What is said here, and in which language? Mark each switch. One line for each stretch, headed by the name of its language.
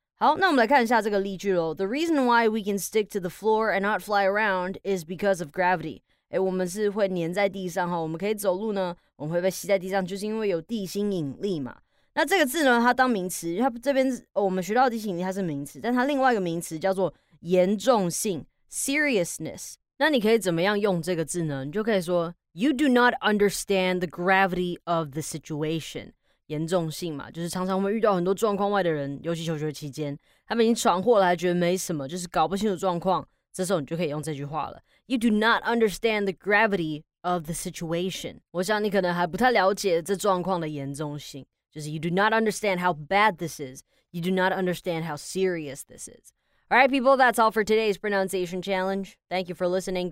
Chinese: 好，那我们来看一下这个例句咯。
English: The reason why we can stick to the floor and not fly around is because of gravity.
Chinese: 哎，我们是会粘在地上哈，我们可以走路呢，我们会被吸在地上，就是因为有地心引力嘛。那这个字呢，它当名词，它这边我们学到的地心引力它是名词，但它另外一个名词叫做严重性 （seriousness）。那你可以怎么样用这个字呢？你就可以说
English: You do not understand the gravity of the situation.
Chinese: 严重性嘛，就是常常会遇到很多状况外的人，尤其求学期间，他们已经闯祸了，还觉得没什么，就是搞不清楚状况。这时候你就可以用这句话了。
English: You do not understand the gravity of the situation.
Chinese: 我想你可能还不太了解这状况的严重性，就是
English: you do not understand how bad this is. You do not understand how serious this is. All right, people, that's all for today's pronunciation challenge. Thank you for listening.